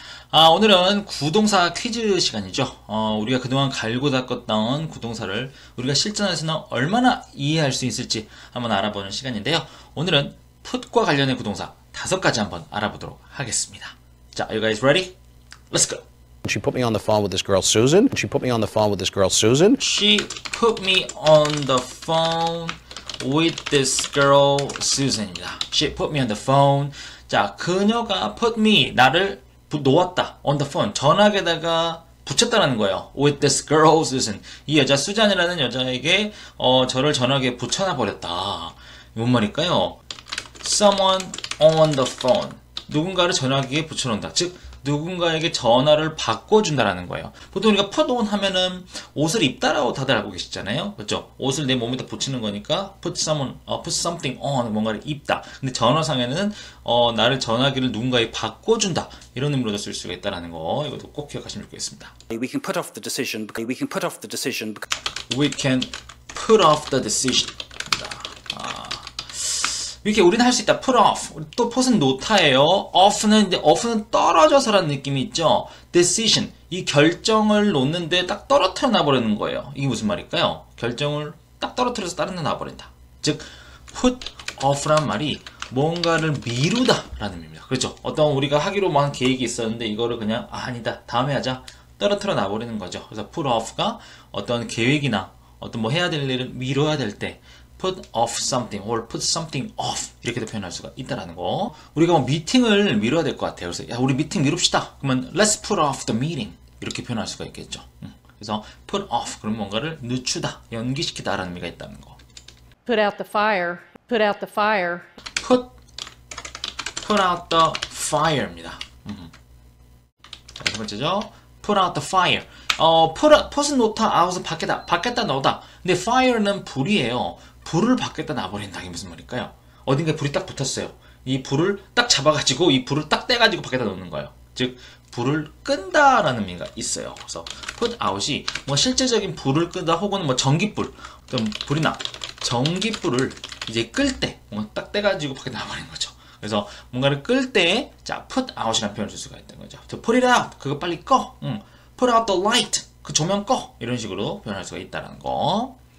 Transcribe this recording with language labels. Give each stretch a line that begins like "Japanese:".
Korean: 아, 오늘은 구동사 퀴즈 시간이죠. 우리가 그동안 갈고 닦았던 구동사를 우리가 실전에서는 얼마나 이해할 수 있을지 한번 알아보는 시간인데요. 오늘은 put과 관련된 구동사 다섯 가지 한번 알아보도록 하겠습니다.
English: 자, you guys ready? Let's go. She put me on the phone with this girl Susan. She put me on the phone with this girl Susan. She put me on the phone with this girl Susan 입니다. She put me on the phone.
Korean: 자, 그녀가 put me 나를 놓았다. On the phone 전화기에다가 붙였다라는 거예요. With this girl Susan 이 여자 수잔이라는 여자에게 저를 전화기에 붙여놔 버렸다. 뭔 말일까요?
English: Someone on the phone 누군가를 전화기에 붙여놓는다.
Korean: 즉 누군가에게 전화를 바꿔준다라는 거예요. 보통 우리가 put on 하면은 옷을 입다라고 다들 알고 계시잖아요. 그렇죠? 옷을 내 몸에다 붙이는 거니까 put someone, put something on 뭔가를 입다. 근데 전화상에는 나를 전화기를 누군가에 바꿔준다 이런 의미로도 쓸 수가 있다라는 거 이것도 꼭 기억하시면 좋겠습니다.
English: We can put off the decision. We can put off the decision. We can put off the decision.
Korean: 이렇게 우리는 할 수 있다. put off. 또 put은 놓다예요. off는 이제 off는 떨어져서라는 느낌이 있죠.
English: decision.
Korean: 이 결정을 놓는데 딱 떨어뜨려 놔버리는 거예요. 이게 무슨 말일까요? 결정을 딱 떨어뜨려서 떨어뜨려 놔버린다. 즉 put off란 말이 뭔가를 미루다라는 의미입니다. 그렇죠? 어떤 우리가 하기로만 계획이 있었는데 이거를 그냥 아니다. 다음에 하자. 떨어뜨려 놔버리는 거죠. 그래서 put off가 어떤 계획이나 어떤 뭐 해야 될 일을 미뤄야 될 때 put off something or put something off 이렇게도 표현할 수가 있다라는 거. 우리가 뭐 미팅을 미뤄야 될 것 같아요. 그래서 야 우리 미팅 미룹시다. 그러면 let's put off the meeting 이렇게 표현할 수가 있겠죠. 그래서 put off 그럼 뭔가를 늦추다, 연기시키다라는 의미가 있다는 거.
English: Put out the fire. Put out the fire. Put out the fire 입니다. 자, 두 번째죠. Put out the fire.
Korean: Put은 놓다, out은 밖에다, 밖에다 넣다. 근데 fire는 불이에요. 불을 밖에다 놔버린다. 이게 무슨 말일까요? 어딘가에 불이 딱 붙었어요. 이 불을 딱 잡아가지고 이 불을 딱 떼가지고 밖에다 놓는 거예요. 즉 불을 끈다라는 의미가 있어요. 그래서 put out이 뭐 실제적인 불을 끈다 혹은 뭐 전기불 좀 불이나 전기불을 이제 끌 때 뭔가 딱 떼가지고 밖에 나와버린 거죠. 그래서 뭔가를 끌 때 자 put out이라는 표현을 쓸 수가 있는 거죠. 또 put it out 그거 빨리 꺼.
English: Put out the light 그 조명 꺼.
Korean: 이런 식으로 표현할 수가 있다는 거.